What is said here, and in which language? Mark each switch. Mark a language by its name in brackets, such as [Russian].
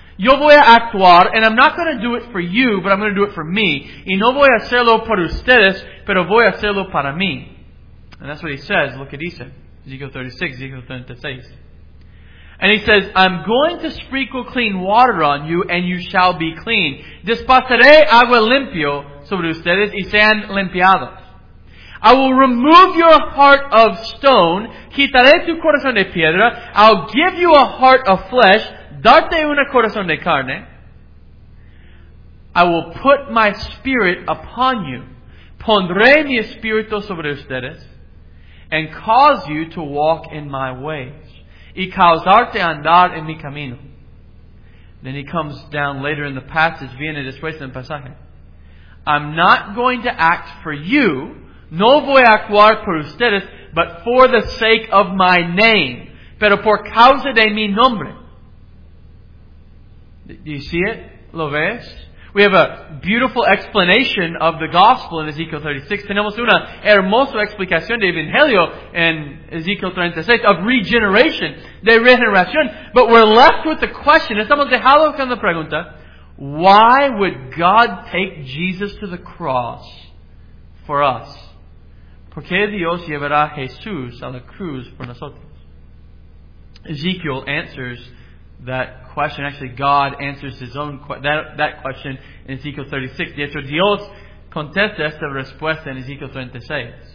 [English] Yo voy a actuar, and I'm not going to do it for you, but I'm going to do it for me. [Spanish] Y no voy a hacerlo por ustedes, pero voy a hacerlo para mí. [English] And that's what he says. Look at Ezekiel 36, Ezekiel 36. And he says, I'm going to sprinkle clean water on you, and you shall be clean. [Spanish] Dispasaré agua limpio sobre ustedes, y sean limpiados. [English] I will remove your heart of stone, quitaré tu corazón de piedra, I'll give you a heart of flesh, darte un corazón de carne. I will put my spirit upon you, pondré mi espíritu sobre ustedes, and cause you to walk in my ways, y causarte andar en mi camino. Then he comes down later in the passage, viene después en el pasaje. I'm not going to act for you, no voy a actuar por ustedes, but for the sake of my name, pero por causa de mi nombre. Do you see it? ¿Lo ves? We have a beautiful explanation of the gospel in Ezekiel 36. [Spanish] Tenemos una hermosa explicación de Evangelio en Ezekiel 36 of regeneration, de regeneración. [English] But we're left with the question, estamos dejados con la pregunta, why would God take Jesus to the cross for us? [Spanish] ¿Por qué Dios llevará Jesús a la cruz por nosotros? [English] Ezekiel answers that question. Actually, God answers his own that question in Ezekiel 36. [Spanish] De hecho, Dios contesta esta respuesta en Ezekiel 36.